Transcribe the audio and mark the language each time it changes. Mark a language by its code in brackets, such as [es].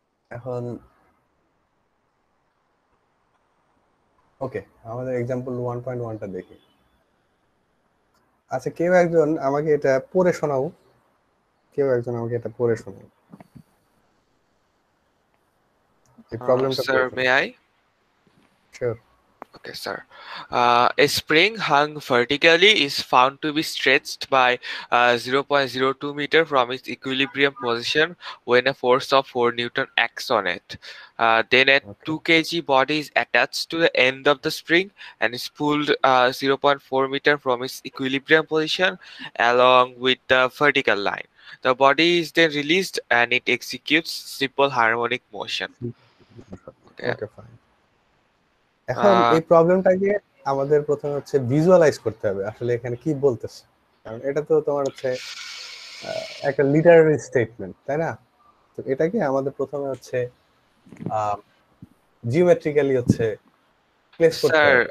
[bn] এখন ওকে আমাদের এক্সাম্পল 1.1 টা দেখি। আচ্ছা কেউ একজন আমাকে এটা পড়ে শোনাও, কেউ একজন আমাকে এটা পড়ে শোনাও এই প্রবলেমটা। [en] Sir may I? Sure. Okay, sir. A spring hung vertically is found to be stretched by 0.02 meter from its equilibrium position when a force of 4 newton acts on it. Then a 2 kg body is attached to the end of the spring and is pulled 0.4 meter from its equilibrium position along with the vertical line. The body is then released and it executes simple harmonic motion. Okay, fine. [bn] এখন এই প্রবলেমটাকে আমাদের প্রথমে হচ্ছে visualise করতে হবে আসলে এখানে কি বলতেছে, কারণ এটা তো তোমার হচ্ছে একটা লিটারারি স্টেটমেন্ট, তাই না? তো এটাকে আমাদের প্রথমে হচ্ছে জিওমেট্রিক্যালি হচ্ছে প্লেস করতে হবে।